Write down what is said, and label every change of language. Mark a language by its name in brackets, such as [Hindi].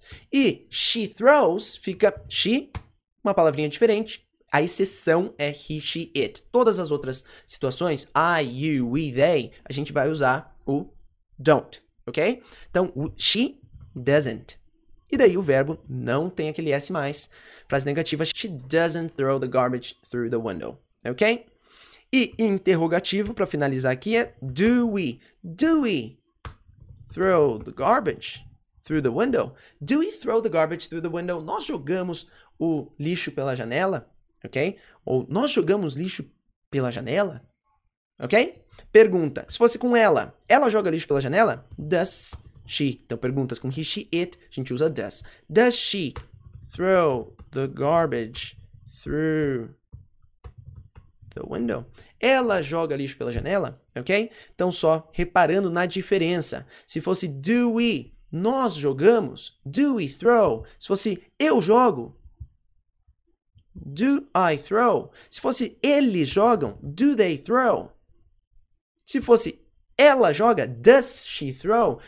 [Portuguese] E she throws fica she, uma palavrinha diferente. A exceção é he, she, it. Todas as outras situações, I, you, we, they, a gente vai usar o don't, ok? [English] Então, she doesn't. [Portuguese] E daí o verbo não tem aquele S mais. Frase negativa, [English] she doesn't throw the garbage through the window. Ok? [Portuguese] E interrogativo, para finalizar aqui, é [English] do we throw the garbage through the window? Do we throw the garbage through the window? [Portuguese] Nós jogamos o lixo pela janela? Ok? Ou nós jogamos lixo pela janela? Ok? Pergunta, se fosse com ela, ela joga lixo pela janela? [English] Does she. [Portuguese] Então, perguntas com he, she, it, a gente usa does. [English] Does she throw the garbage through the window? [Portuguese] Ela joga lixo pela janela, ok? Então, só reparando na diferença. Se fosse [English] do we, [Portuguese] nós jogamos, [English] do we throw. [Portuguese] Se fosse eu jogo, [English] do I throw. [Portuguese] Se fosse eles jogam, [English] do they throw. [Portuguese] Se fosse ela joga, [English] does she throw?